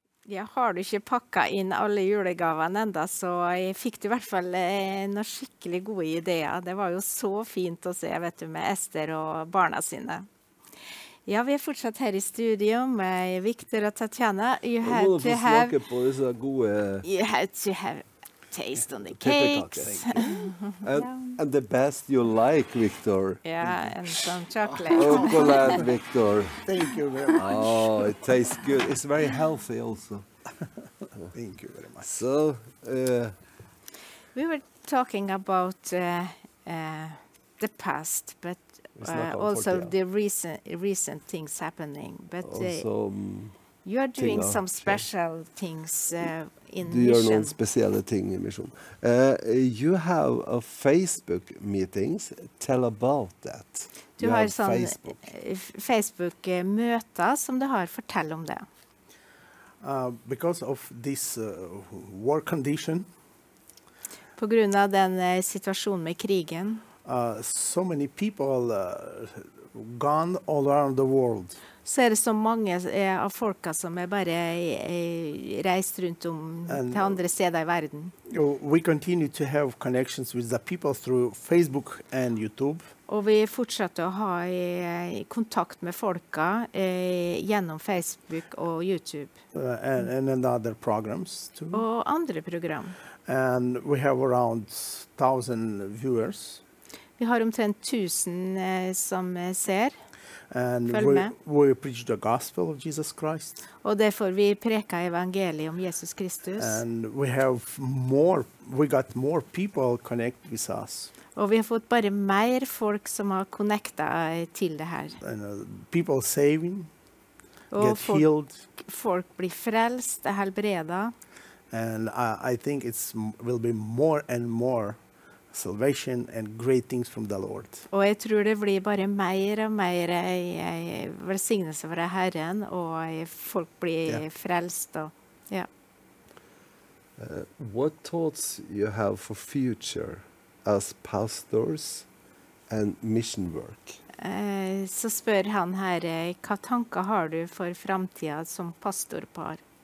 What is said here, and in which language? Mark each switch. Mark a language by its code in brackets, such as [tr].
[no] Ja, har du ikke pakket inn alle julegavene enda, så fikk du i hvert fall noen skikkelig gode ideer. Det var jo så fint å se, vet du, med Esther og barna sine. Ja, vi er fortsatt her i studio med Victor og Tatjana. [en] You have to have... [no] Du må få smake på disse gode... [en] You have to have taste on the cakes. And the best you like, Victor. Yeah, and some chocolate. Chocolate, Victor. Thank you very much. Oh, it tastes good. It's very healthy also. Thank you very much. So, we were talking about the past, but also the recent things happening. But also, you are doing thing, some special yeah. things in [no] Du gjør noen spesielle ting i misjon. [en] You have a Facebook meetings. Tell about that. [no] Du har sånn Facebook møter som du har. Fortell om det. [en] Because of this war condition. [no] På grunn av den situasjonen med krigen. [en] So many people gone all around the world. [no] Så er det så mange av folka som er bare reist rundt om til andre steder i verden. [en] We continue to have connections with the people through Facebook and YouTube. [no] Og vi fortsetter å ha kontakt med folka gjennom Facebook og YouTube. [en] And other programs too. [no] Og andre program. [en] And we have around 1,000 viewers. [no] Vi har omtrent 1,000 som ser. [en] And we preach the gospel of Jesus Christ. [no] Og derfor vi preker evangeliet om Jesus Kristus. [en] And we have more, we got more people connect with us. [no] Og vi har fått bare mer folk som har connectet til det her. [en] And people saving, og get folk, healed. [no] Folk blir frelst, er helbredet. [en] And I think it will be more and more salvation and great things from the Lord. [no] Og jeg tror det blir bare mer og mer velsignelse fra Herren, og folk blir yeah. frelst. Og, yeah. [en] What thoughts you have for future as pastors and mission work? [no] Så spør han her, hva tanker har du for fremtiden som pastorpar?